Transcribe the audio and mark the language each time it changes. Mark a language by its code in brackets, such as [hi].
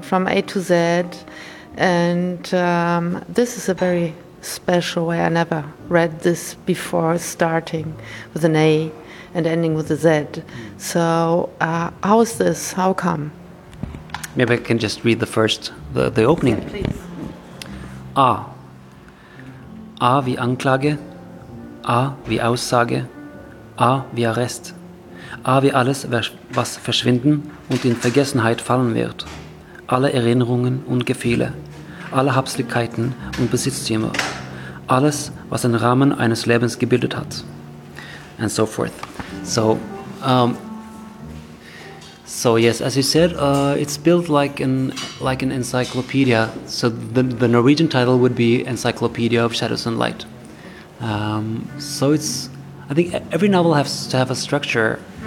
[en] From A to Z, and this is a very special way. I never read this before, starting with an A and ending with a Z. So how is this? How come? Maybe I can just read the first, the opening. Yeah, please. [de] A. A wie Anklage, A wie Aussage, A wie Arrest. A wie alles, was verschwinden und in Vergessenheit fallen wird. Alle Erinnerungen und Gefühle, alle Habseligkeiten und Besitztümer, alles, was den Rahmen eines Lebens gebildet hat. [en] And so forth. So, so yes, as you said, it's built like an encyclopedia. So the Norwegian title would be Encyclopedia of Shadows and Light. So it's, I think every novel has to have a structure.